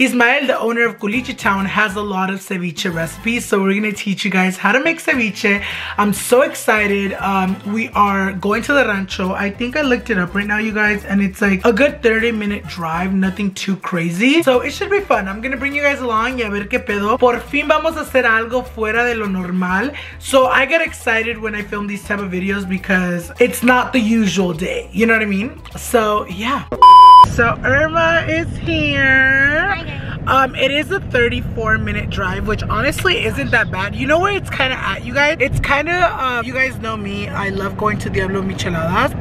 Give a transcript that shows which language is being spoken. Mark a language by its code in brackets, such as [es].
[en] Ismael, the owner of Culichi Town, has a lot of ceviche recipes, so we're gonna teach you guys how to make ceviche. I'm so excited. We are going to the Rancho. I think I looked it up right now, you guys, and it's like a good 30-minute drive, nothing too crazy, so it should be fun. I'm gonna bring you guys along [es] y a ver qué pedo. Por fin vamos a hacer algo fuera de lo normal. [en] So I get excited when I film these type of videos because it's not the usual day, you know what I mean? So yeah. So Irma is here. Hi, guys. It is a 34-minute drive, which honestly isn't that bad. You know where it's kind of at, you guys? It's kind of, you guys know me, I love going to Diablo Micheladas.